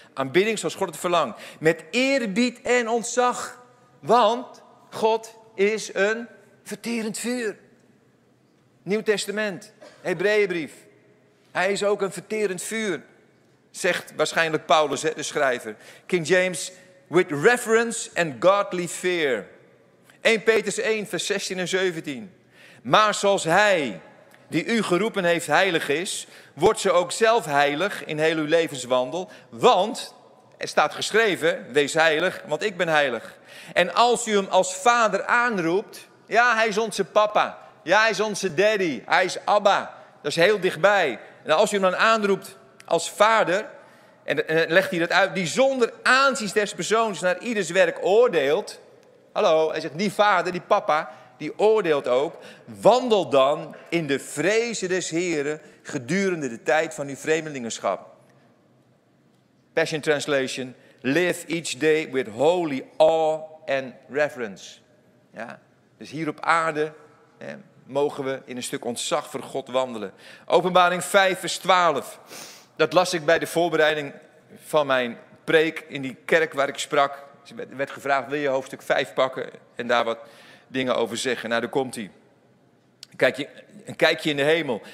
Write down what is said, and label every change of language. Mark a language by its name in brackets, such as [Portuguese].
[Dutch] Aanbidding zoals God het verlangt. Met eerbied en ontzag. Want God is een verterend vuur. Nieuw Testament, Hebreeënbrief. Hij is ook een verterend vuur. Zegt waarschijnlijk Paulus, de schrijver. [English] King James, with reverence and godly fear. [Dutch] 1 Petrus 1, vers 16 en 17. Maar zoals hij die u geroepen heeft heilig is, wordt ze ook zelf heilig in heel uw levenswandel. Want, er staat geschreven, wees heilig, want ik ben heilig. En als u hem als vader aanroept, ja, hij is onze papa. Ja, hij is onze daddy. Hij is Abba. Dat is heel dichtbij. En als u hem dan aanroept als vader, en legt hij dat uit, die zonder aanzien des persoons naar ieders werk oordeelt. Hallo, hij zegt, die vader, die papa, die oordeelt ook. Wandel dan in de vreze des Heren gedurende de tijd van uw vreemdelingenschap. [English] Passion Translation, live each day with holy awe and reverence. [Dutch] Ja, dus hier op aarde, hè, mogen we in een stuk ontzag voor God wandelen. Openbaring 5 vers 12. Dat las ik bij de voorbereiding van mijn preek in die kerk waar ik sprak. Ze werd gevraagd, wil je hoofdstuk 5 pakken en daar wat dingen over zeggen? Nou, daar komt hij. Een kijkje in de hemel.